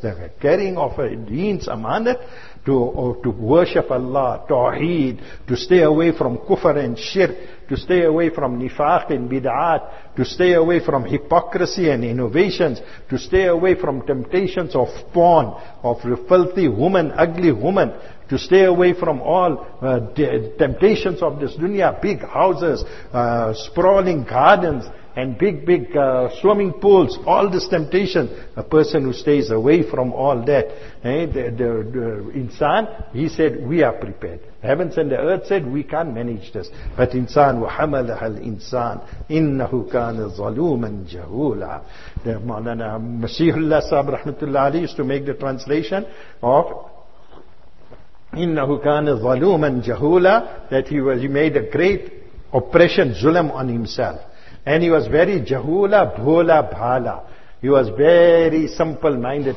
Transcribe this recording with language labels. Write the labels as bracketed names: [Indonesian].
[English] The carrying of a deen's amanat, to worship Allah, tawheed, to stay away from kufr and shirk, to stay away from nifaq and bid'at, to stay away from hypocrisy and innovations, to stay away from temptations of porn, of filthy woman, ugly woman, to stay away from all temptations of this dunya, big houses, sprawling gardens, and big swimming pools, all this temptation. A person who stays away from all that, the insan, he said, we are prepared. Heavens and the earth said, we can't manage this. [Arabic] But insan, وَحَمَلَهَا الْإِنسَانِ إِنَّهُ كَانَ ظَلُومًا جَهُولًا. [English] Maulana Masihullah Sahib Rahmatullah Ali used to make the translation of [Arabic] إِنَّهُ كَانَ ظَلُومًا جَهُولًا, [English] that he made a great oppression, zulm on himself. And he was very jahula, [Urdu] bhola, bhala. [English] He was very simple-minded.